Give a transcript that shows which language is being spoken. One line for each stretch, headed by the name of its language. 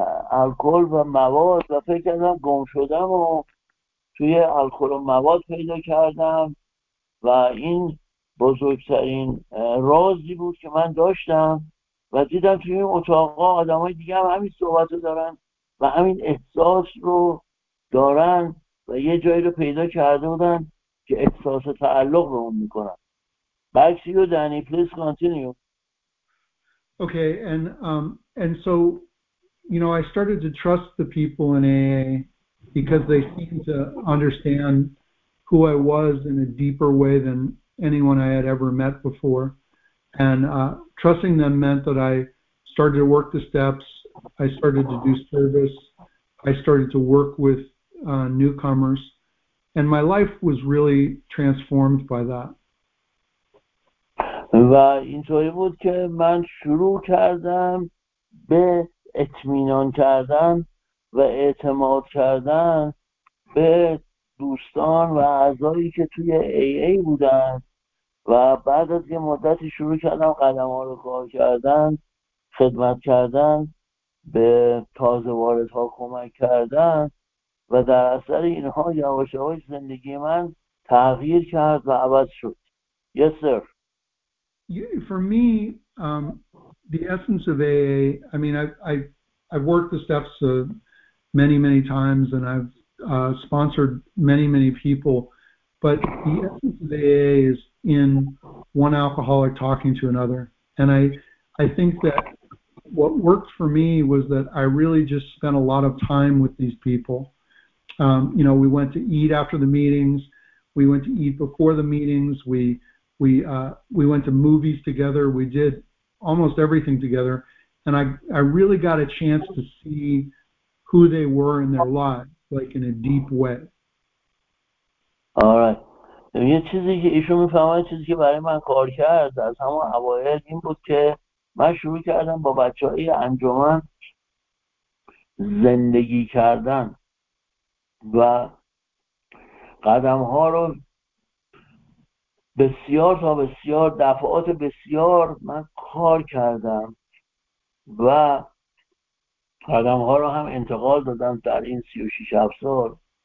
Persian: الکل و مواد و فکر کردم گم شدم و توی الکل و مواد پیدا کردم و این بزرگترین رازی بود که من داشتم و دیدم توی این اتاقا آدم های دیگه هم همین صحبت رو دارن و همین احساس رو دارن و یه جایی رو پیدا کرده بودن که احساس تعلق به اون میکنن.
English: Back to you, Danny. Please continue. Okay, and so, you know, I started to trust the people in AA because they seemed to understand who I was in a deeper way than anyone I had ever met before. And trusting them meant that I started to work the steps, I started to do service, I started to work with newcomers, and my life was really transformed by that.
Persian: و اینطوری بود که من شروع کردم به اطمینان کردن و اعتماد کردن به دوستان و اعضایی که توی AA بودن و بعد از یه مدتی شروع کردم قدم ها رو کار کردن، خدمت کردن، به تازه وارد ها کمک کردن و در اثر اینها یواش یواش زندگی من تغییر کرد و عوض شد.
English: Yes, sir. For me, the essence of AA, I mean, I've worked the steps many, many times and I've sponsored many, many people, but the essence of AA is in one alcoholic talking to another. And I think that what worked for me was that I really just spent a lot of time with these people. You know, we went to eat after the meetings. We went to eat before the meetings. We went to movies together. We did almost everything together. And I really got a chance to see who they were in their lives, like in a deep way. All right.
Persian: یه چیزی که ایشون میفهمه، چیزی که برای من کار کرد از همون اوائل این بود که من شروع کردم با بچه های انجمن زندگی کردن و قدم ها رو بسیار تا بسیار دفعات بسیار من کار کردم و قدم ها رو هم انتقال دادم در این 36 سال.